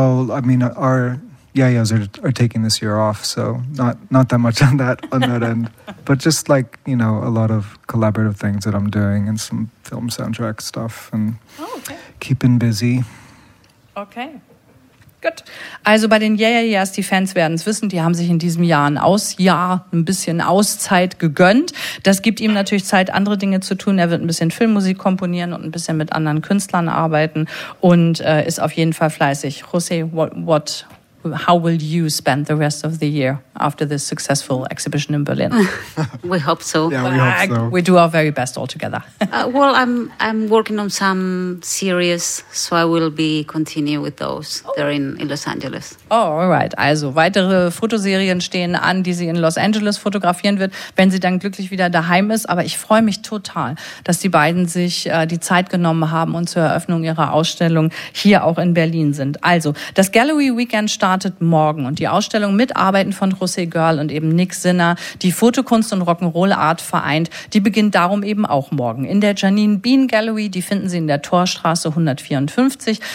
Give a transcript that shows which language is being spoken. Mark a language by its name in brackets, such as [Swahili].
[English] Are taking this year off, so not that much on that end, but just like, you know, a lot of collaborative things that I'm doing and some film soundtrack stuff and keeping busy. [German] Okay, gut. Also bei den Yeah Yeah Yeahs, die Fans werden es wissen, die haben sich in diesem Jahr ein bisschen Auszeit gegönnt. Das gibt ihm natürlich Zeit, andere Dinge zu tun. Er wird ein bisschen Filmmusik komponieren und ein bisschen mit anderen Künstlern arbeiten und ist auf jeden Fall fleißig. [English] José, how will you spend the rest of the year after this successful exhibition in Berlin? We hope so. Yeah, we hope so. We do our very best all together. Well, I'm working on some series, so I will be continue with those there in Los Angeles. Oh, all right. [German] Also, weitere Fotoserien stehen an, die sie in Los Angeles fotografieren wird, wenn sie dann glücklich wieder daheim ist. Aber ich freue mich total, dass die beiden sich die Zeit genommen haben und zur Eröffnung ihrer Ausstellung hier auch in Berlin sind. Also, das Gallery Weekend startet morgen und die Ausstellung mit Arbeiten von José Görl und eben Nick Sinner, die Fotokunst und Rock'n'Roll Art vereint, die beginnt darum eben auch morgen in der Janine Bean Gallery, die finden Sie in der Torstraße 154.